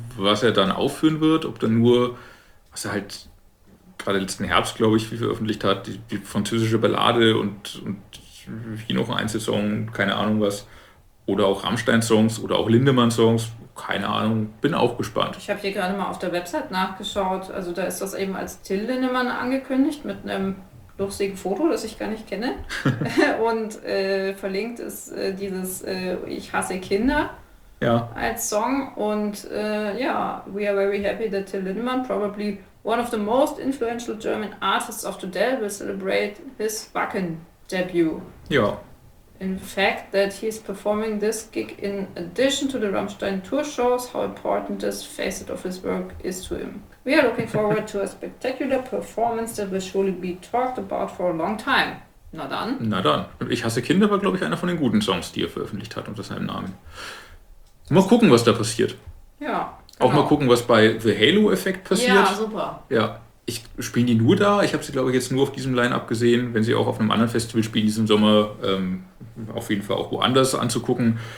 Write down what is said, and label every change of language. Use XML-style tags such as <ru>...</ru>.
<de>Was er dann aufführen wird, ob dann nur, was er halt gerade letzten Herbst, glaube ich, wie veröffentlicht hat, die französische Ballade und hier noch ein Einzelsong, keine Ahnung was, oder auch Rammstein-Songs oder auch Lindemann-Songs, keine Ahnung, bin auch gespannt. Ich habe hier gerade mal auf der Website nachgeschaut, also da ist das eben als Till Lindemann angekündigt mit einem lustige Foto, das ich gar nicht kenne. Und verlinkt ist dieses Ich hasse Kinder, ja, als Song. Und ja,</de> <en>we are very happy that Till Lindemann, probably one of the most influential German artists of today, will celebrate his Wacken debut.</en> <de>Ja.</de> <en>In fact that he is performing this gig in addition to the Rammstein tour shows, how important this facet of his work is to him. We are looking forward to a spectacular performance that will surely be talked about for a long time.</en> <de>Na dann. Ich hasse Kinder war, glaube ich, einer von den guten Songs, die er veröffentlicht hat unter seinem Namen. Mal gucken, was da passiert. Ja. Genau. Auch mal gucken, was bei The Halo Effect passiert. Ja, super. Ja. Ich spiele die nur da. Ich habe sie, glaube ich, jetzt nur auf diesem Line-Up gesehen. Wenn sie auch auf einem anderen Festival spielen diesen Sommer, auf jeden Fall auch woanders anzugucken.</de>